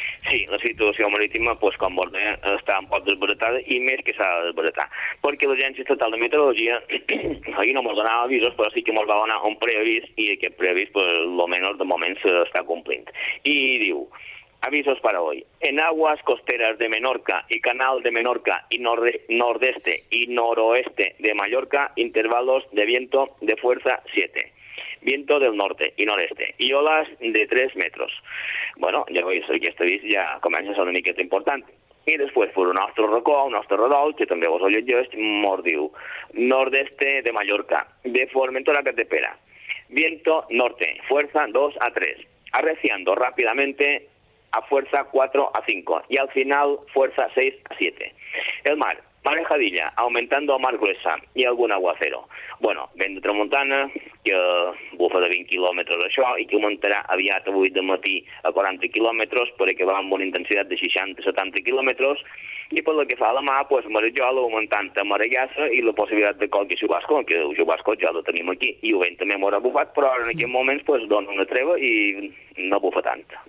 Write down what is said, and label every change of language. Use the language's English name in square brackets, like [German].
[Catalan] Sí, la situació marítima, pues, com vol dir, està un poc desbaratada, i més que s'ha de desbaratar. Perquè l'Agència Estatal de Meteorologia ahir no mos donava avisos, però sí que mos va donar un preavís, i aquest preavís, pues, almenys de moment s'està complint. I diu, [Spanish] avisos para hoy. En aguas costeras de Menorca y canal de Menorca y nordeste y noroeste de Mallorca, intervalos de viento de fuerza 7. Viento del norte y noreste, y olas de 3 metros. Bueno, ya veis, aquí este aviso ya comienza a ser una miqueta importante. [Catalan] I després, per un altre racó, un altre redol, que també vos ho llegeix, és mordiu. [Spanish] Nordeste de Mallorca, de Formentora Capdepera. Viento norte, fuerza 2 a 3. Arreciando rápidamente a fuerza 4 a 5. Y al final, fuerza 6 a 7. El mar, marejadilla, aumentando a mar gruesa y algún aguacero. [Catalan] Bueno, vent de tramuntana, que bufa de 20 km això, i que augmentarà aviat avui de matí a 40 km, perquè va amb una intensitat de 60-70 km, i pel que fa a la mà, pues, marejola, augmentant a marejassa i la possibilitat de qualque xubasco, que el xubasco ja el tenim aquí, i el vent també m'haurà bufat, però ara en aquest moment pues, dona una treva i no bufa tant.